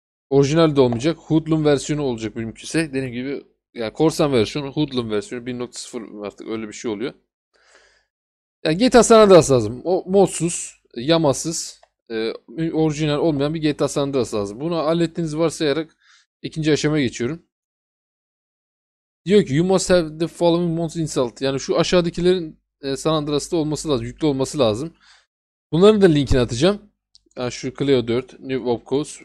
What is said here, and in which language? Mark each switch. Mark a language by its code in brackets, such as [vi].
[tr] Orijinal de olmayacak. Hoodlum versiyonu olacak mümkünse. Dediğim gibi yani korsan versiyonu, hoodlum versiyonu 1.0 artık öyle bir şey oluyor. Yani GTA San Andreas lazım. O modsuz, yamasız, orijinal olmayan bir GTA San Andreas lazım. Bunu hallettiğinizi varsayarak ikinci aşamaya geçiyorum. Diyor ki [en] you must have the following mods installed. [tr] Yani şu aşağıdakilerin San Andreas'ta olması lazım, yüklü olması lazım. Bunların da linkini atacağım. Yani şu Cleo 4, New Opcos.